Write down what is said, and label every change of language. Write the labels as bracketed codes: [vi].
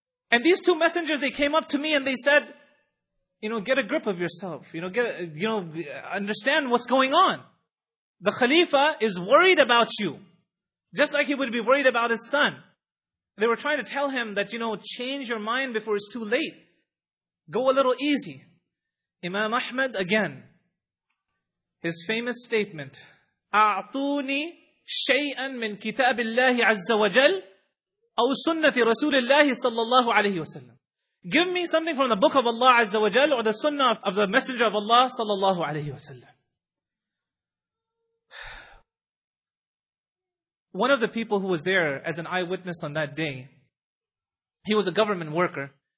[en] And these two messengers, they came up to me and they said, you know, get a grip of yourself. You know, understand what's going on. The Khalifa is worried about you. Just like he would be worried about his son. They were trying to tell him that, you know, change your mind before it's too late. Go a little easy. Imam Ahmad, again, his famous statement, [ar] أعطوني شيئا من كتاب الله عز وجل أو سنة رسول الله صلى الله عليه وسلم. [en] Give me something from the book of Allah [ar] عز وجل [en] or the sunnah of the messenger of Allah [ar] صلى الله عليه وسلم. [en] One of the people who was there as an eyewitness on that day, he was a government worker.